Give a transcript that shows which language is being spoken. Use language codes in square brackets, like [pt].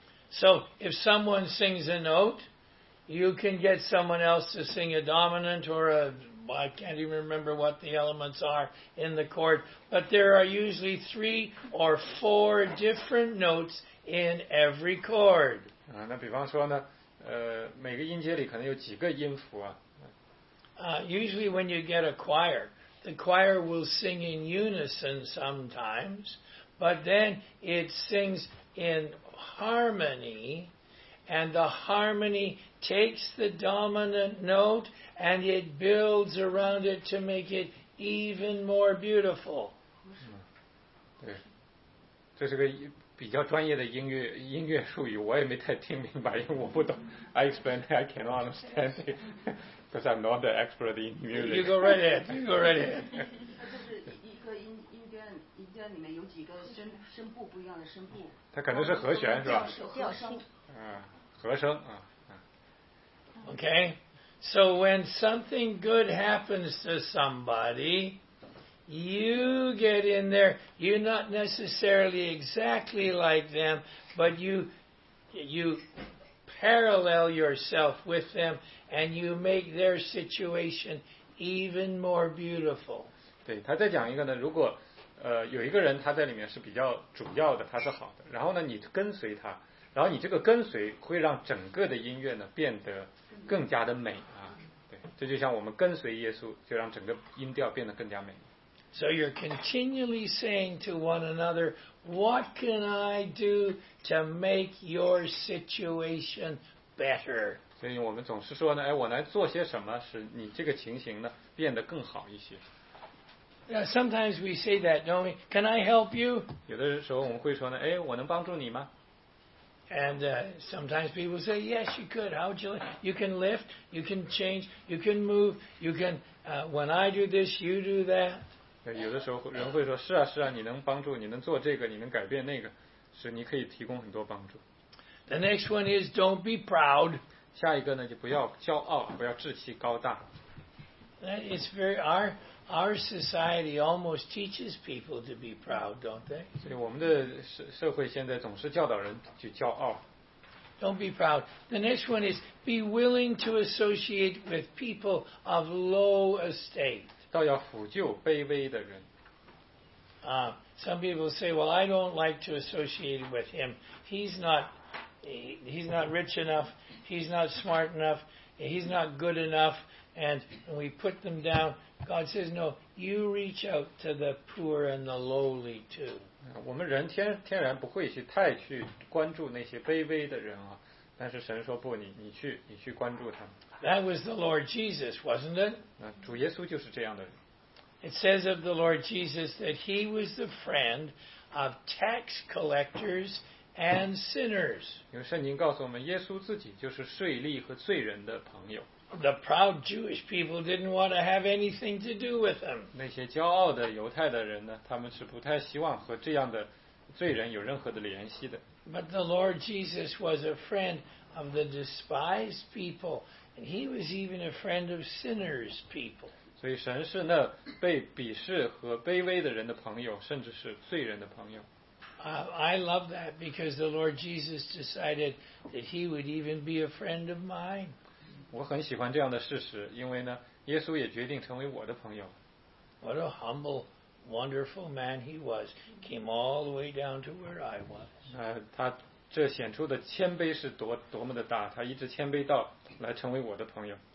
[en] So if someone sings a note, you can get someone else to sing a dominant or a... I can't even remember what the elements are in the chord, but there are usually three or four different notes in every chord. [zh] 那比方说呢，每个音阶里可能有几个音符啊。 [en] Usually when you get a choir, the choir will sing in unison sometimes, but then it sings in harmony, and the harmony takes the dominant note,And it builds around it to make it even more beautiful. [zh] 对，这是个比较专业的音乐术语，我也没太听明白，因为我不懂。 [en] I explain, I cannot understand it, because I'm not an expert in music. You go right ahead. You go right ahead. [zh] 就是一个音阶里面有几个声部不一样的声部。它可能是和弦是吧？调声。和声啊。 [en] Okay. So when something good happens to somebody, you get in there. You're not necessarily exactly like them, but you parallel yourself with them, and you make their situation even more beautiful. [zh] 对，他在讲一个呢，如果有一个人他在里面是比较主要的，他是好的，然后呢你跟随他，然后你这个跟随会让整个的音乐呢变得更加的美。这就像我们跟随耶稣，就让整个音调变得更加美。 [en] So you're continually saying to one another, "What can I do to make your situation better?" [zh] 所以我们总是说呢，哎，我来做些什么，使你这个情形呢变得更好一些。 [en] Sometimes we say that, don't we? Can I help you? [zh] 有的时候我们会说呢，哎，我能帮助你吗？ [en] And sometimes people say, yes, you could. How would you like? You can lift, you can change, you can move, you can, when I do this, you do that. [zh] 有的时候人会说，是啊，是啊，你能帮助，你能做这个，你能改变那个，是你可以提供很多帮助。 [en] The next one is, don't be proud. [zh] 下一个呢，就不要骄傲，不要志气高大。 [en] That is very, our society almost teaches people to be proud, don't they? [zh] 所以我们的社会现在总是教导人去骄傲。 [en] Don't be proud. The next one is, be willing to associate with people of low estate. [zh] 倒要辅救卑微的人。 [en] Some people say, well, I don't like to associate with him. He's not rich enough. He's not smart enough. He's not good enough. And we put them down. God says, no, you reach out to the poor and the lowly too. [zh] 我们人天然不会去太去关注那些卑微的人啊，但是神说不，你去关注他们。 [en] That was the Lord Jesus, wasn't it? [zh] 主耶稣就是这样的人。 [en] It says of the Lord Jesus that he was the friend of tax collectors and sinners. [zh] 因为圣经告诉我们，耶稣自己就是税吏和罪人的朋友。 [en] The proud Jewish people didn't want to have anything to do with him. [zh] 那些骄傲的犹太的人呢，他们是不太希望和这样的罪人有任何的联系的。 [en] But the Lord Jesus was a friend of the despised people, and he was even a friend of sinners' people. [zh] 所以神是那被鄙视和卑微的人的朋友，甚至是罪人的朋友。 [en] I love that because the Lord Jesus decided that he would even be a friend of mine. [zh] 我很喜欢这样的事实，因为呢，耶稣也决定成为我的朋友。 [en] What a humble, wonderful man he was. Came all the way down to where I was. [zh] 他这显出的谦卑是多么的大，他一直谦卑到来成为我的朋友。